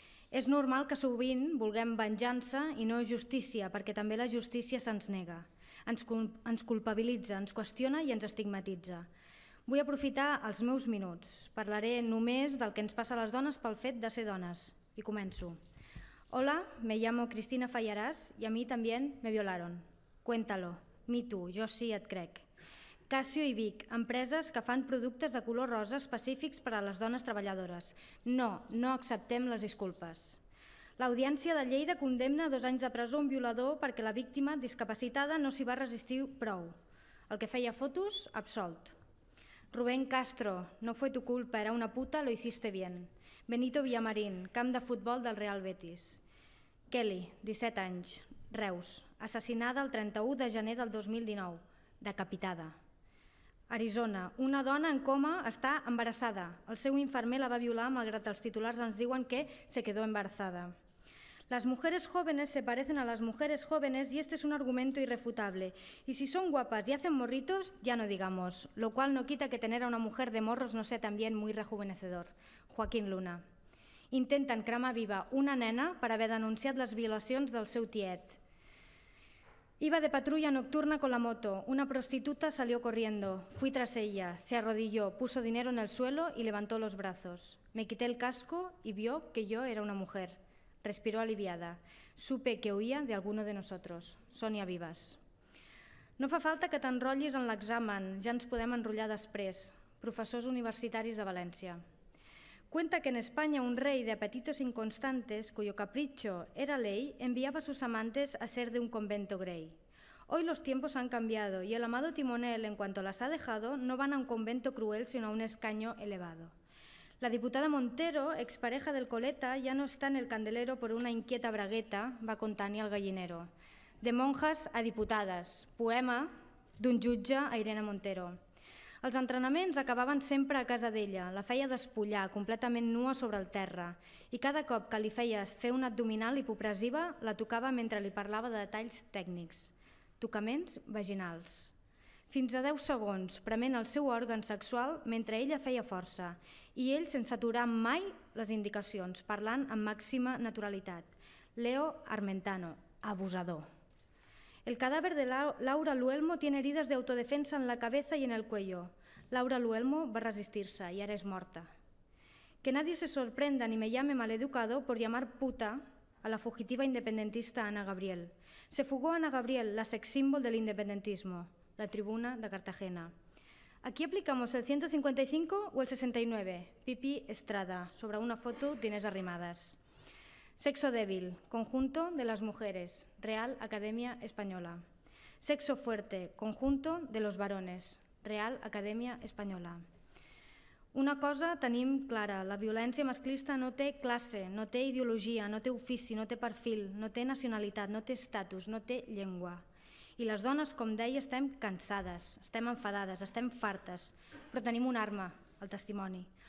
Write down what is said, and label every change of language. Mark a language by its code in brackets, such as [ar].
[ca] És normal que sovint vulguem venjança i no justícia, perquè també la justícia se'ns nega. Ens culpabilitza, ens qüestiona i ens estigmatitza. Vull aprofitar els meus minuts. Parlaré només del que ens passa a les dones pel fet de ser dones. I començo. [es] Hola, me llamo Cristina Fallarás y a mí también me violaron. Cuéntalo, me tú, [ca] jo sí et crec. Casio i Vic, empreses que fan productes de color rosa específics per a les dones treballadores. No, no acceptem les disculpes. L'Audiència de Lleida condemna 2 anys de presó a un violador perquè la víctima, discapacitada, no s'hi va resistir prou. El que feia fotos, absolt. [es] Rubén Castro, no fue tu culpa, era una puta, lo hiciste bien. [ca] Benito Villamarín, camp de futbol del Real Betis. Kelly, 17 anys, Reus, assassinada el 31 de gener del 2019, decapitada. Arizona, una dona en coma està embarassada. El seu infermer la va violar, malgrat els titulars ens diuen que [es] se quedó embarazada. Las mujeres jóvenes se parecen a las mujeres jóvenes y este es un argumento irrefutable. Y si son guapas y hacen morritos, ya no digamos, lo cual no quita que tener a una mujer de morros no sea también muy rejuvenecedor. Joaquín Luna. [ca] Intentan cremar viva una nena per haver denunciat les violacions del seu tiet. [es] Iba de patrulla nocturna con la moto. Una prostituta salió corriendo. Fui tras ella. Se arrodilló, puso dinero en el suelo y levantó los brazos. Me quité el casco y vio que yo era una mujer. Respiró aliviada. Supe que huía de alguno de nosotros. Sonia Vivas. [ca] No fa falta que t'enrotllis en l'examen. Ja ens podem enrotllar després. Professors universitaris de València. [es] Cuenta que en España un rey de apetitos inconstantes, cuyo capricho era ley, enviaba a sus amantes a ser de un convento grey. Hoy los tiempos han cambiado y el amado timonel, en cuanto las ha dejado, no van a un convento cruel sino a un escaño elevado. La diputada Montero, expareja del Coleta, ya no está en el candelero por una inquieta bragueta, va con Tania el gallinero. De monjas a diputadas, [ca] poema d'un jutge a Irene Montero. Els entrenaments acabaven sempre a casa d'ella, la feia despullar, completament nua sobre el terra, i cada cop que li feia fer una abdominal hipopressiva, la tocava mentre li parlava de detalls tècnics. Tocaments vaginals. Fins a 10 segons, prement el seu òrgan sexual mentre ella feia força, i ell sense aturar mai les indicacions, parlant amb màxima naturalitat. Leo Armentano, abusador. [es] El cadáver de Laura Luelmo tiene heridas de autodefensa en la cabeza y en el cuello. Laura Luelmo [ca] va resistirse [es] y ahora es muerta. Que nadie se sorprenda ni me llame maleducado por llamar puta a la fugitiva independentista Ana Gabriel. Se fugó Ana Gabriel, la sex symbol del independentismo, la tribuna de Cartagena. [ca] Aquí aplicamos el 155 o el 69, Pipi Estrada, sobre una foto d'Inés Arrimadas. [es] Sexo débil, conjunto de las mujeres, Real Academia Española. Sexo fuerte, conjunto de los varones, Real Academia Española. [ca] Una cosa tenim clara, la violència masclista no té classe, no té ideologia, no té ofici, no té perfil, no té nacionalitat, no té estatus, no té llengua. I les dones, com deia, estem cansades, estem enfadades, estem fartes, però tenim una arma, el testimoni.